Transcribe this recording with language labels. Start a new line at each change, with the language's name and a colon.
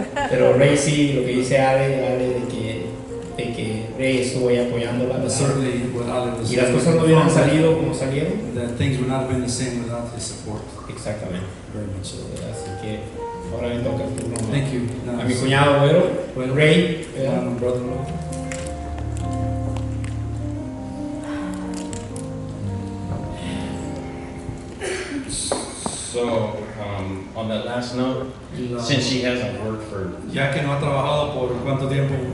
Spanish: Pero Rey sí, lo que dice Ale de que Rey estuvo ahí apoyándola.
English: Certainly, what Ale was
Spanish: y las cosas no hubieran salido como salieron.
English: That things would not have been the same without his support.
Spanish: Exactamente.
English: Very much so.
Spanish: Así que ahora le toca el turno.
English: Thank you.
Spanish: No, a mi cuñado Güero, bueno, Rey.
English: My brother-in-law. So, on that last note, since she hasn't worked for
Spanish: ya que no ha trabajado por cuánto tiempo,